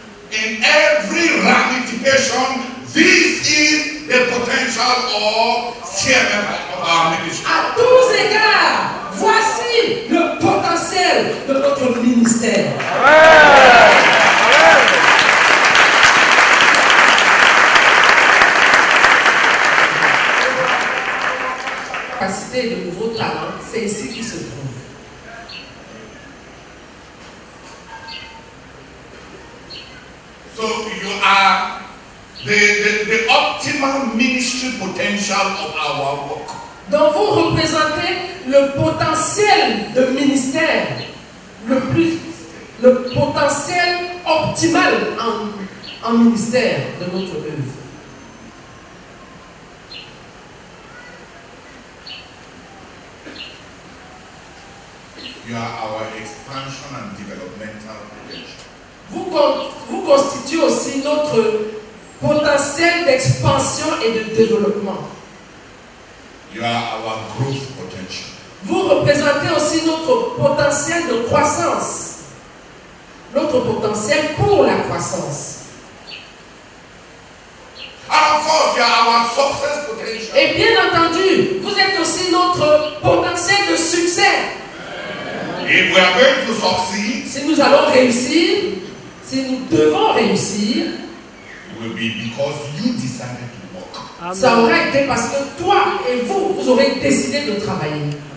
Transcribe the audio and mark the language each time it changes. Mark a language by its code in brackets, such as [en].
[en] In every ramification, this is the potential of CMF of our ministry. [fr] À tous égards, voici le potentiel de notre ministère. Ouais. De nouveaux talents, c'est ici qu'ils se trouvent. [en] So you are the optimal ministry potential of our work. [fr] Donc vous représentez le potentiel de ministère, le potentiel optimal en ministère de notre œuvre. [en] You are our expansion and developmental potential. [fr] Vous constituez aussi notre potentiel d'expansion et de développement. [en] You are our growth potential. [fr] Vous représentez aussi notre potentiel de croissance. Notre potentiel pour la croissance. [en] And of course, you are our success potential. [fr] Et bien entendu, vous êtes aussi notre potentiel de succès. [en] If we are going to succeed, [fr] si nous allons réussir, si nous devons réussir, [en] it will be because you decided to work. [fr] Ça aura été parce que toi et vous, vous aurez décidé de travailler.